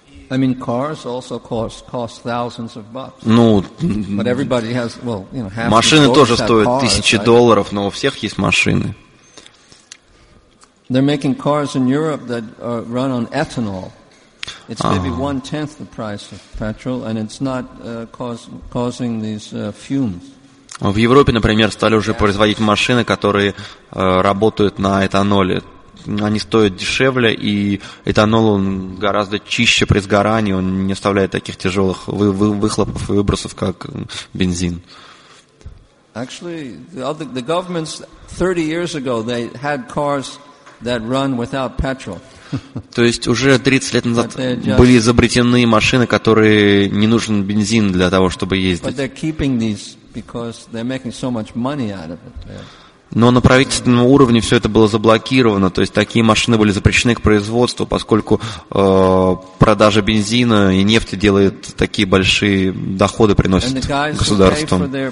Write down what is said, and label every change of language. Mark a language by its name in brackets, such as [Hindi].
[English] I mean, cars also cost thousands of bucks. [Russian] Ну, [English] but everybody has, well, you know, half [Russian] машины тоже стоят тысячи долларов, но у всех есть машины. [English] They're making cars in Europe that run on ethanol. It's maybe one-tenth the price of petrol, and it's not causing these fumes. [Russian] В Европе, например, стали уже производить машины, которые работают на этаноле. Они стоят дешевле, и этанол он гораздо чище при сгорании, он не оставляет таких тяжелых выхлопов и выбросов, как бензин. [English] Actually, the governments 30 years ago they had cars that run without petrol. [Russian] То есть уже 30 лет назад были изобретены машины, которые не нужен бензин для того, чтобы ездить. [English] But they're keeping these because they're making so much money out of it. [Russian] Но на правительственном уровне все это было заблокировано, то есть такие машины были запрещены к производству, поскольку продажа бензина и нефти делает такие большие доходы, приносит государством.